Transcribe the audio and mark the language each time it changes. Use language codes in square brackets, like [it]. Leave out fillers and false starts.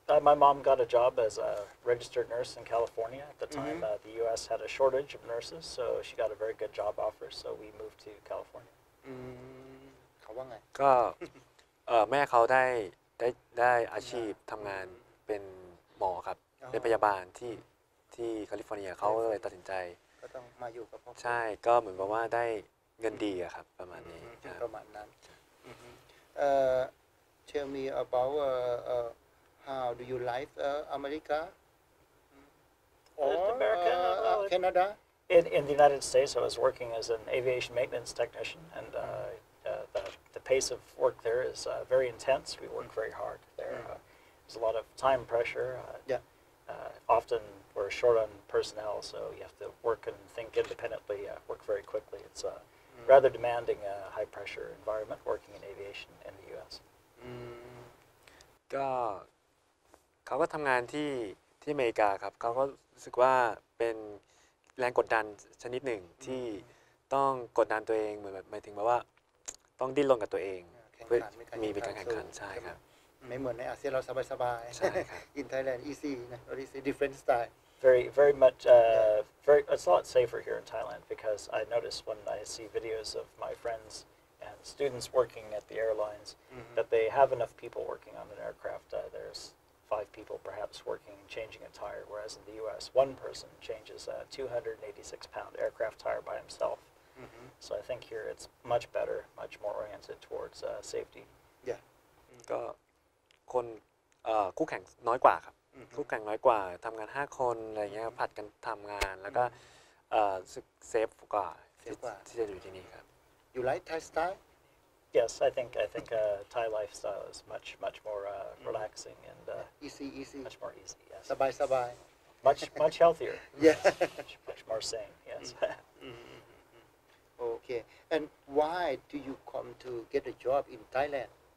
[en] My mom got a job as a registered nurse in California at the time. Mm-hmm. The U.S. had a shortage of nurses, so she got a very good job offer, so we moved to California. Mm-hmm. How about that? [th] ก็แม่เขาได้อาชีพทำงานเป็นหมอครับเป็นพยาบาลที่แคลิฟอร์เนียเขาเลยตัดสินใจ ก็ต้องมาอยู่กับพ่ อ ใช่ก็เหมือนกับว่าได้เงินดีครับประมาณนี้ ประมาณนั้น [en] Tell me about How do you like America? Canada? In the United States, I was working as an aviation maintenance technician, and the pace of work there is very intense. We work very hard there. There's a lot of time pressure. Often we're short on personnel, so you have to work and think independently, work very quickly. It's a rather demanding high pressure environment working in aviation in the US. [th] เขาก็ทำงานที่อเมริกาครับเขาก็รู้สึกว่าเป็นแรงกดดันชนิดหนึ่งที่ต้องกดดันตัวเองเหมือนแบบหมายถึงว่าต้องดิ้นรนกับตัวเอง เพื่ อมีเป็นการแข่งขันใช่ครับ ไม่เหมือนในอาเซียนเราสบายๆ ใช่ครับ [en] in Thailand easy นะ or is it different style very much very it's a lot safer here in Thailand because I notice when I see videos of my friendsand students working at the airlines that they have enough people working on an aircraft there's 5 people perhaps working changing a tire whereas in the US one person changes a 286 pound aircraft tire by himself so I think here it's much better much more oriented towards safety yeah [th] ก็คนคู่แข่งน้อยกว่าครับคู่แข่งน้อยกว่าทำงาน5คนอะไรเงี้ยผัดกันทำงานแล้วก็เซฟกว่าที่จะอยู่ที่นี่ครับ [en] You like Thai style? Yes, I think Thai lifestyle is much more relaxing and easy much more easy. Yes. Sabai sabai. much healthier. Yeah. much more sane. Yes. Mm-hmm. Okay. And why do you come to get a job in Thailand?